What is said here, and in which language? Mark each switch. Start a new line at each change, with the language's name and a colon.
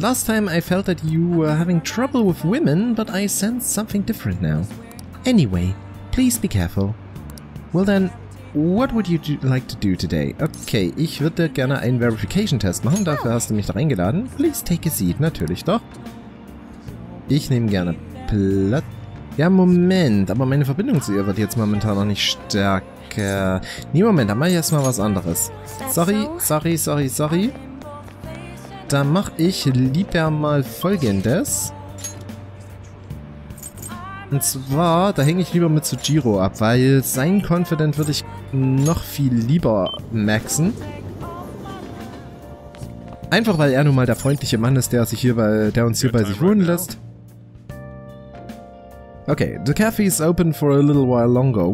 English: Last time I felt that you were having trouble with women, but I sense something different now. Anyway, please be careful. Well then, what would you like to do today?
German: Okay, ich würde gerne einen Verification-Test machen. Dafür hast du mich da reingeladen.
English: Please take a seat.
German: Natürlich doch. Ich nehme gerne Platz. Ja, Moment. Aber meine Verbindung zu ihr wird jetzt momentan noch nicht stärker. Nee, Moment. Dann mache ich erstmal was anderes. Sorry. Dann mache ich lieber mal Folgendes. Und zwar, da hänge ich lieber mit Tsujiro ab, weil sein Confident würde ich noch viel lieber maxen. Einfach weil er nun mal der freundliche Mann ist, der uns hier bei sich wohnen lässt.
English: Okay, the cafe is open for a little while longer.